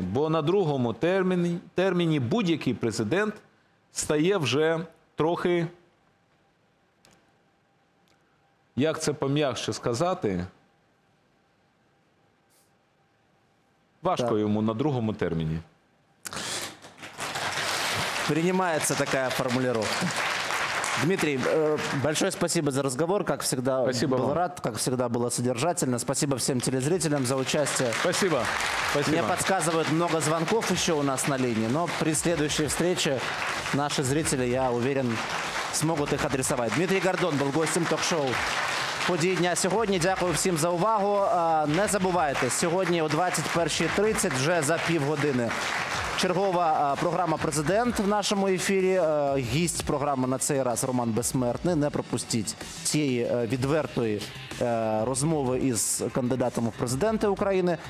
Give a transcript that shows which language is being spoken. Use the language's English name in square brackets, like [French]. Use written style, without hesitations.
[Ukrainian] Бо на другому терміні будь-який президент стає вже трохи, як це пом'якше сказати, важко йому на другому терміні. Приймається така формулировка. [Russian] Дмитрий, большое спасибо за разговор. Как всегда, спасибо был вам. Рад. Как всегда, было содержательно. Спасибо всем телезрителям за участие. Спасибо. Мне подсказывают, много звонков еще у нас на линии. Но при следующей встрече наши зрители, я уверен, смогут их адресовать. Дмитрий Гордон был гостем ток-шоу «Події дня сьогодні». [Ukrainian] Дякую всім за увагу. Не забувайте, сьогодні о 21:30, вже за півгодини, чергова програма «Президент» в нашому ефірі. Гість програми на цей раз Роман Безсмертний. Не пропустіть цієї відвертої розмови із кандидатом в президенти України.